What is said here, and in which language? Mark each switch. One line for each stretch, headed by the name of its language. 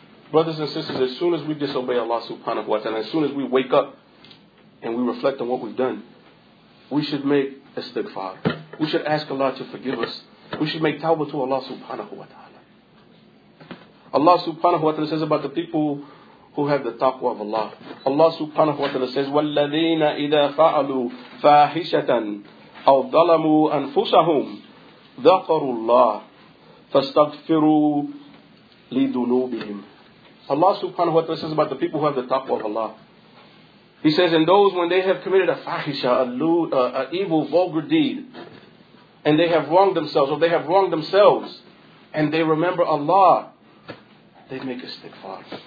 English: Brothers and sisters, as soon as we disobey Allah subhanahu wa ta'ala, as soon as we wake up and we reflect on what we've done, we should make istighfar. We should ask Allah to forgive us. We should make tawbah to Allah subhanahu wa ta'ala. Allah subhanahu wa ta'ala says about the people who have the taqwa of Allah. Allah subhanahu wa ta'ala says,
Arabic: وَالَّذِينَ إِذَا فَعَلُوا فَاحِشَةً أَوْ ظَلَمُوا أَنفُسَهُمْ ذَكَرُوا اللَّهَ فَاسْتَغْفِرُوا لِذُنُوبِهِمْ.
English: Allah subhanahu wa ta'ala says about the people who have the taqwa of Allah. He says, and those when they have committed a fahisha, a evil, vulgar deed, and they have wronged themselves, or they have wronged themselves, and they remember Allah, they make a istighfar.